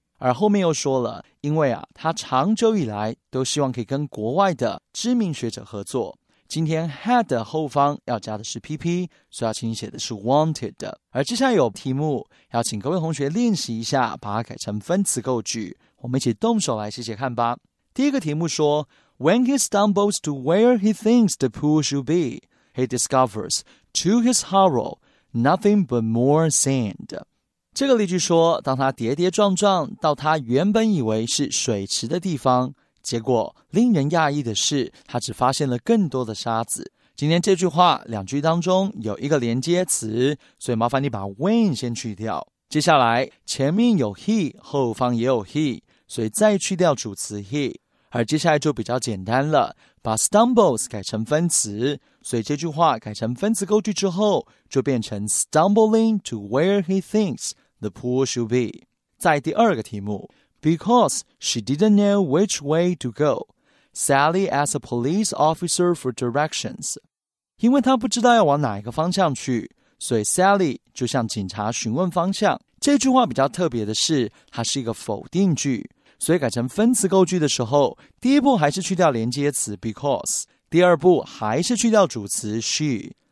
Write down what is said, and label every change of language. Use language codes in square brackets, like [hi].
[zh] 而后面又说了，因为啊，他长久以来都希望可以跟国外的知名学者合作，今天 had 的后方要加的是 PP， 所以要请你写的是 wanted 的。而接下来有题目，要请各位同学练习一下，把它改成分词构句。我们一起动手来写写看吧。第一个题目说 [en] ，When he stumbles to where he thinks the pool should be, he discovers, to his horror, nothing but more sand。 [zh] 这个例句说，当他跌跌撞撞到他原本以为是水池的地方，结果令人讶异的是，他只发现了更多的沙子。今天这句话两句当中有一个连接词，所以麻烦你把 when 先去掉。接下来前面有 he， 后方也有 he， 所以再去掉主词 he。而接下来就比较简单了，把 stumbles 改成分词，所以这句话改成分词构句之后，就变成 [en] stumbling to where he thinks the pool should be。 [zh] 在第二个题目， [en] Because she didn't know which way to go, Sally asked a police officer for directions。 [zh] 因为她不知道要往哪一个方向去，所以 Sally 就向警察询问方向。这句话比较特别的是，它是一个否定句，所以改成分词构句的时候，第一步还是去掉连接词 because， 第二步还是去掉主词 she。